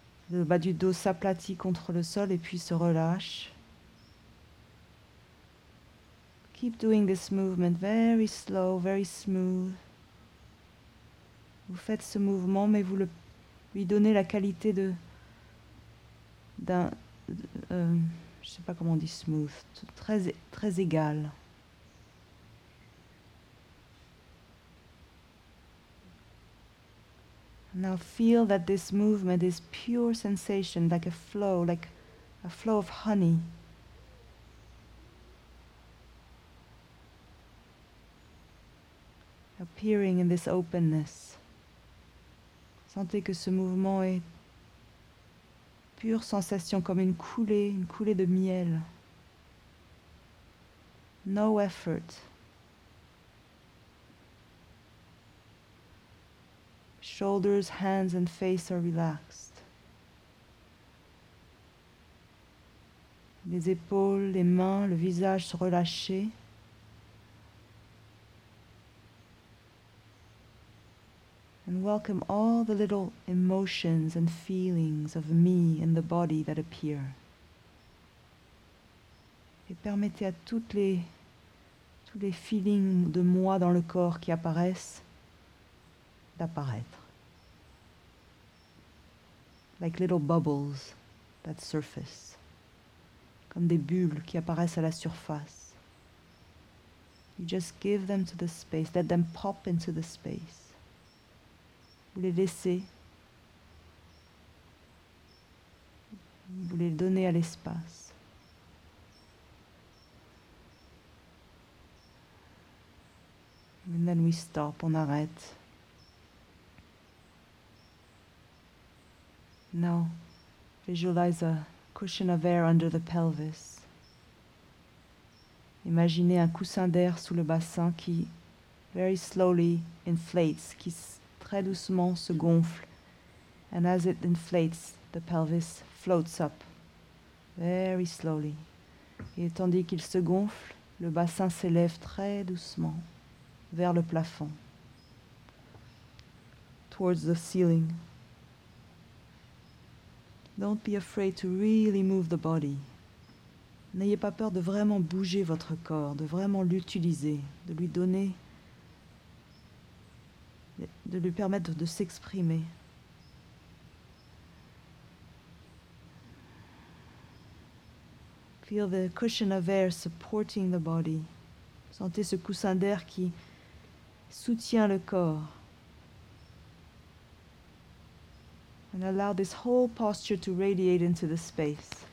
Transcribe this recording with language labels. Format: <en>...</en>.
<fr>Le bas du dos s'aplatit contre le sol et puis se relâche.</fr> <en>Keep doing this movement very slow, very smooth.</en> <fr>Vous faites ce mouvement, mais vous lui donnez la qualité de je sais pas comment on dit smooth, très très égal.</fr> <en>Now feel that this movement is pure sensation, like a flow of honey. Appearing in this openness.</en> <fr>Sentez que ce mouvement est pure sensation, comme une coulée de miel.</fr> <en>No effort. Shoulders, hands and face are relaxed.</en> <fr>Les épaules, les mains, le visage sont relâchés.</fr> <en>And welcome all the little emotions and feelings of me and the body that appear.</en> <fr>Et permettez à tous les feelings de moi dans le corps qui apparaissent d'apparaître.</fr> <en>Like little bubbles that surface.</en> <fr>Comme des bulles qui apparaissent à la surface.</fr> <en>You just give them to the space, let them pop into the space.</en> <fr>Vous les laissez, vous les donnez à l'espace.</fr> <en>And then we stop,</en> <fr>on arrête.</fr> <en>Now, visualize a cushion of air under the pelvis.</en> <fr>Imaginez un coussin d'air sous le bassin qui,</fr> <en>very slowly, inflates,</en> <fr>qui très doucement se gonfle,</fr> <en>and as it inflates, the pelvis floats up very slowly.</en> <fr>Et tandis qu'il se gonfle, le bassin s'élève très doucement vers le plafond,</fr> <en>towards the ceiling. Don't be afraid to really move the body.</en> <fr>N'ayez pas peur de vraiment bouger votre corps, de vraiment l'utiliser, de lui donner, de lui permettre de s'exprimer.</fr> <en>Feel the cushion of air supporting the body.</en> <fr>Sentez ce coussin d'air qui soutient le corps.</fr> <en>And allow this whole posture to radiate into the space.</en>